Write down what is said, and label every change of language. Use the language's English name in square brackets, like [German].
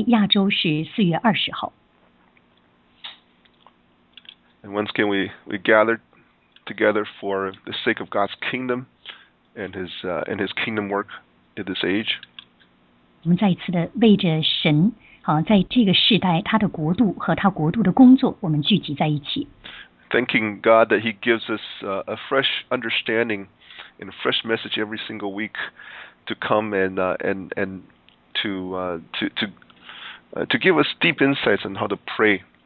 [Chinese] 今天是2012年4月19号，北美的时间，在亚洲是4月20号。 [English] And once again, we gather together for the sake of God's kingdom and His kingdom work in this age. [Chinese] 我们再一次的为着神，在这个时代，他的国度和他国度的工作，我们聚集在一起。 [English] Thanking God that He gives us a fresh understanding and a fresh message every single week to come and to give us deep insights on how to pray.